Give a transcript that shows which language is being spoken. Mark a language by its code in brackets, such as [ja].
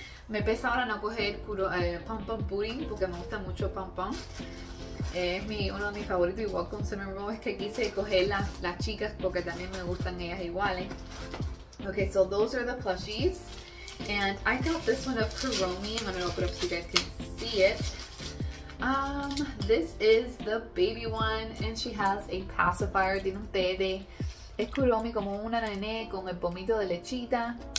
[es] Me pesa ahora no coger Pom Pom Pudding porque me gusta mucho Pom Pom. Es uno de mis favoritos, igual con Cinnamon Roll, es que quise coger las chicas porque también me gustan ellas iguales. [en] Okay, so those are the plushies. And I got this one of Kuromi. I'm gonna open up so you guys can see it. This is the baby one, and she has a pacifier. [es] Tiene un té de... Es Kuromi como una nene con el pomito de lechita.